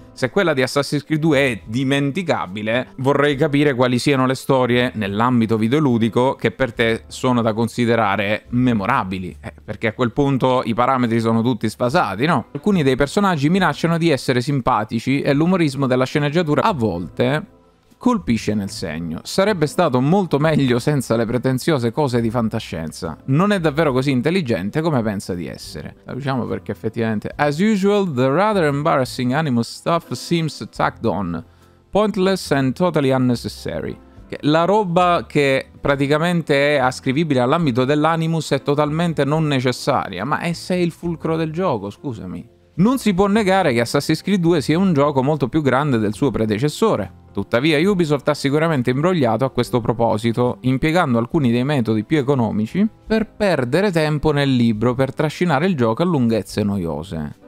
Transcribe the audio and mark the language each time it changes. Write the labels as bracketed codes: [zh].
[it] Se quella di Assassin's Creed 2 è dimenticabile, vorrei capire quali siano le storie nell'ambito videoludico che per te sono da considerare memorabili, perché a quel punto i parametri sono tutti sfasati, no? Alcuni dei personaggi minacciano di essere simpatici e l'umorismo della sceneggiatura a volte colpisce nel segno. Sarebbe stato molto meglio senza le pretenziose cose di fantascienza. Non è davvero così intelligente come pensa di essere. La diciamo perché effettivamente... [en] As usual, the rather embarrassing animus stuff seems tacked on. Pointless and totally unnecessary. [it] La roba che praticamente è ascrivibile all'ambito dell'animus è totalmente non necessaria. Ma è il fulcro del gioco, scusami. Non si può negare che Assassin's Creed 2 sia un gioco molto più grande del suo predecessore. Tuttavia, Ubisoft ha sicuramente imbrogliato a questo proposito, impiegando alcuni dei metodi più economici per perdere tempo nel libro per trascinare il gioco a lunghezze noiose.